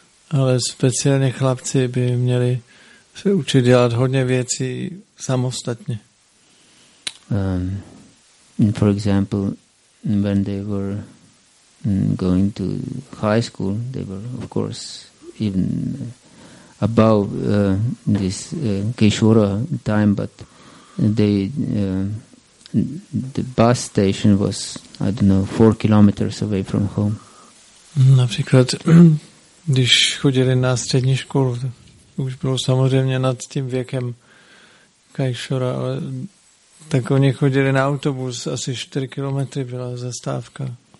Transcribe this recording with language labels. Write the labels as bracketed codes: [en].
[cs] Ale speciálně chlapci by měli se učit dělat hodně věcí samostatně. [en] For example, when they were going to high school, they were, of course, even above this Kishora time, but they, the bus station was, I don't know, 4 kilometers away from home. [cs] Například, když chodili na střední školu, už bylo samozřejmě nad tím věkem Kishora, ale tak oni chodili na autobus, asi 4 kilometry byla zastávka.